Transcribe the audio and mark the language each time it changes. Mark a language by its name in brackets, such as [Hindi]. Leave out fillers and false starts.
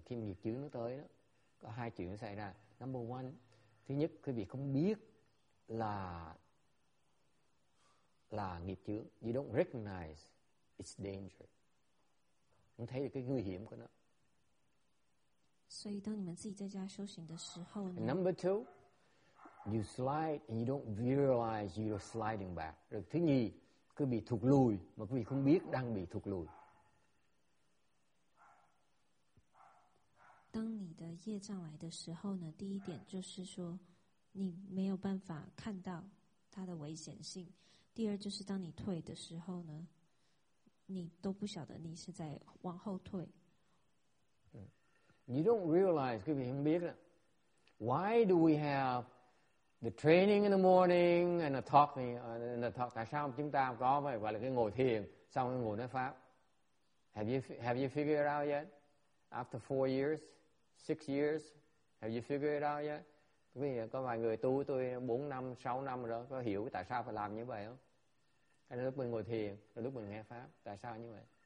[Vietnamese] Khi nghiệp chướng nó tới đó, có hai chuyện xảy ra. [English] Number one, [Vietnamese] thứ nhất, quý vị không biết là nghiệp chướng. [English] You don't recognize its danger. [Vietnamese] Không thấy được cái nguy hiểm của nó. [Chinese] 所以当你们自己在家修行的时候呢? [English] Number two, you slide and you don't realize you're sliding back. [Vietnamese] Rồi thứ nhì, cứ bị thụt lùi mà quý vị không biết đang bị thụt lùi. [Chinese] 当你的业障来的时候呢，第一点就是说你没有办法看到它的危险性。第二就是当你退的时候呢，你都不晓得你是在往后退。 [English] You don't realize, [Chinese] 可是你不知道, [English] why do we have the training in the morning and the talk, [Chinese] 为什么我们有这样的 [Vietnamese] ngồi thiền, [Chinese] 然后 [Vietnamese] ngồi nói pháp? [English] Have you figured it out yet? After 4 years, 6 years, have you figured it out yet? [Chinese] 为什么有些人 [Vietnamese] tu tôi 4 năm, 6 năm rồi, [Chinese] 有 [Vietnamese] hiểu tại sao phải làm như vậy không? Cái lúc mình ngồi thiền, lúc mình nghe pháp, tại sao như vậy?